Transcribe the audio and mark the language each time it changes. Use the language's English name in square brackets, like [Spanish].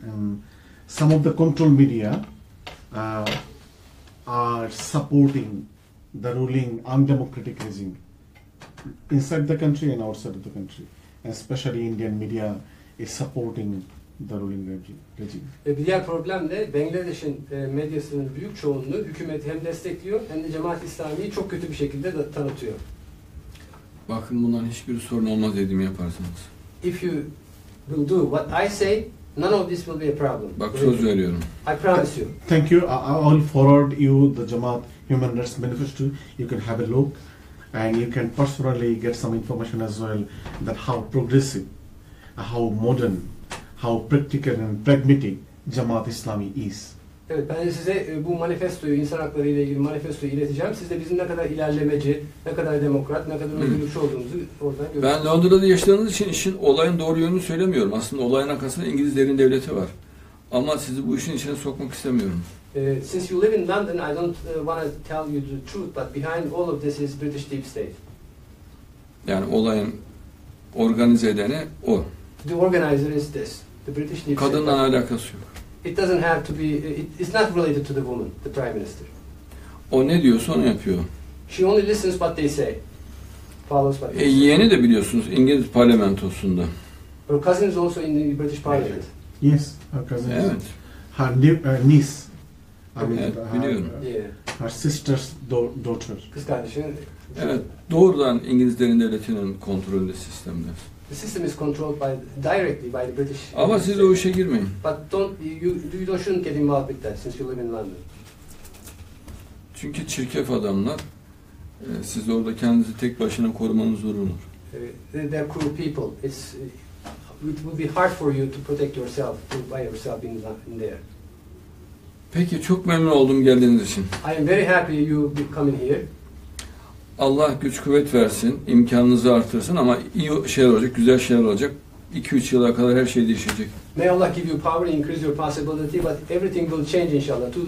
[English] And some of the control media are supporting the ruling undemocratic regime inside the country and outside of the country. Especially Indian media is supporting the ruling regime. [Turkish] Bir diğer problem de Bangladeş'in medyasının büyük çoğunluğu hükümeti hem destekliyor hem de Cemaat-i İslami'yi çok kötü bir şekilde de tanıtıyor. Bakın bundan hiçbir sorun olmaz dedim yaparsanız. [English] If you will do what I say, none of this will be a problem. [Turkish] Bak söz veriyorum. [English] I promise you. Thank you. I will forward you the Jamaat Human Rights Manifesto. You can have a look and you can personally get some information as well that how progressive, how modern, how practical and pragmatic Jamaat Islami is. [Turkish] Evet, ben size bu manifestoyu, insan hakları ile ilgili manifestoyu ileteceğim. Siz de bizim ne kadar ilerlemeci, ne kadar demokrat, ne kadar özgürlükçü olduğumuzu oradan görürsünüz. Ben Londra'da yaşadığınız için işin olayın doğru yönünü söylemiyorum. Aslında olayın arkasında İngiliz derin devleti var. Ama sizi bu işin içine sokmak istemiyorum. [English] Since you live in London, I don't want to tell you the truth, but behind all of this is British deep state. [Turkish] Yani olayın organize edeni o. [English] The organizer is this. The British deep [Turkish] state. Kadınla alakası yok. [English] It doesn't have to be, it's not related to the woman, the prime minister. [Turkish] O ne diyorsa onu yapıyor. [English] She only listens what they say. Follows what they say. [Turkish] Yeğeni de biliyorsunuz İngiliz parlamentosunda. [English] Her cousin is also in the British parliament. Yes, her cousin is. [Turkish] Evet. [English] Her niece. [Turkish] Evet, [English] I mean, [Turkish] biliyorum. [English] Her sister's daughter. [Turkish] Kız kardeşinin. Evet, doğrudan İngiliz derin devletinin kontrolünde sistemde. [English] The system is controlled by directly by the British. [Turkish] Ama siz o işe girmeyin. [English] But you shouldn't get involved with that since you live in London. [Turkish] Çünkü çirkef adamlar, siz orada kendinizi tek başına korumanız zorunlu. [English] They're cruel people. It would be hard for you to protect yourself by yourself in there. [Turkish] Peki, çok memnun oldum geldiğiniz için. [English] I am very happy you coming here. [Turkish] Allah güç kuvvet versin, imkanınızı artırsın ama iyi şeyler olacak, güzel şeyler olacak. 2-3 yıla kadar her şey değişecek. [English] May Allah give you power, increase your possibility, but everything will change inşallah.